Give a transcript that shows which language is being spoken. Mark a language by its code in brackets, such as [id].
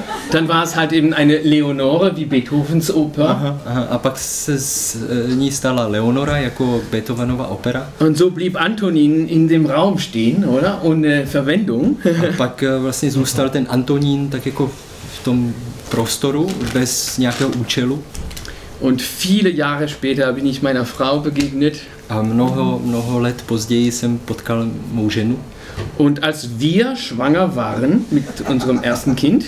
[de] Dann war es halt eben eine Leonore wie Beethovens Oper. [cs] A pak se z ní stala Leonora jako Beethovenova opera. [de] Und so blieb Antonin in dem Raum stehen, oder? Ohne Verwendung. [cs] A pak vlastně zůstal ten Antonin tak jako v tom prostoru bez nějakého účelu. [de] Und viele Jahre später bin ich meiner Frau begegnet. [cs] A mnoho let později jsem potkal mou ženu. [de] Und als wir schwanger waren mit unserem ersten Kind,